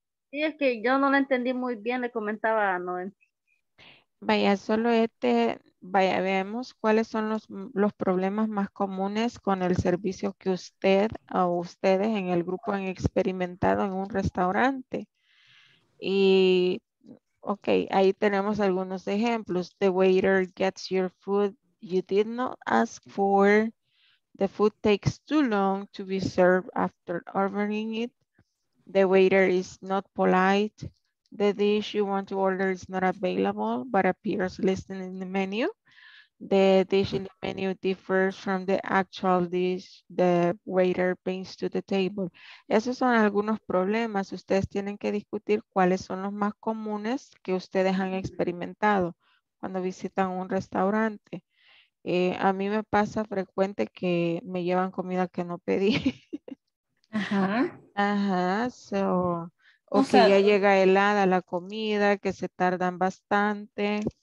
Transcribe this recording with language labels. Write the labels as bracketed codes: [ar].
[es] Sí, es que yo no lo entendí muy bien, le comentaba a Noel. Vaya, solo este, vaya, veamos cuáles son los problemas más comunes con el servicio que usted o ustedes en el grupo han experimentado en un restaurante. Y, ok, ahí tenemos algunos ejemplos. [en] The waiter gets your food you did not ask for. The food takes too long to be served after ordering it. The waiter is not polite. The dish you want to order is not available, but appears listed in the menu. The dish in the menu differs from the actual dish the waiter brings to the table. [es] Esos son algunos problemas. Ustedes tienen que discutir cuáles son los más comunes que ustedes han experimentado cuando visitan un restaurante. A mí me pasa frecuente que me llevan comida que no pedí. Ajá. Ajá, so... O que ya llega helada la comida, que se tardan bastante.